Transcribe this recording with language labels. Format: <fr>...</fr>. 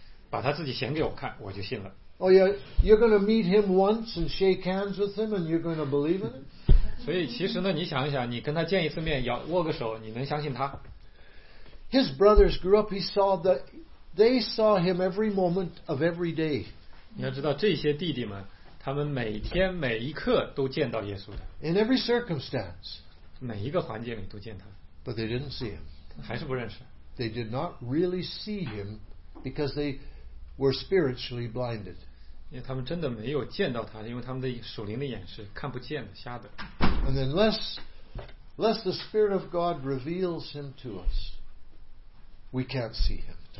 <zh>所以很多人说呢，今天啊，如果耶稣来，把他自己显给我看，我就信了。</zh> <en>Oh yeah, you're going to meet him once and shake hands with him and you're going to believe in it?</en> <zh>所以其实呢，你想一想，你跟他见一次面，握个手，你能相信他？</zh> <en>His brothers grew up, they saw him every moment of every day.</en> <zh>你要知道这些弟弟们，他们每天每一刻都见到耶�u的。</zh> <en>In every circumstance.</en> <zh>每一个环境里都见他。</zh> <en>But they didn't see him.</en> <zh>还是不认识。</zh> <en>They did not really see him because they were spiritually blinded.</en> <zh>因为他们真的没有见到他，因为他们的属灵的眼是看不见的，瞎的。</zh> <en>And unless the Spirit of God reveals him to us, we can't see him.</en>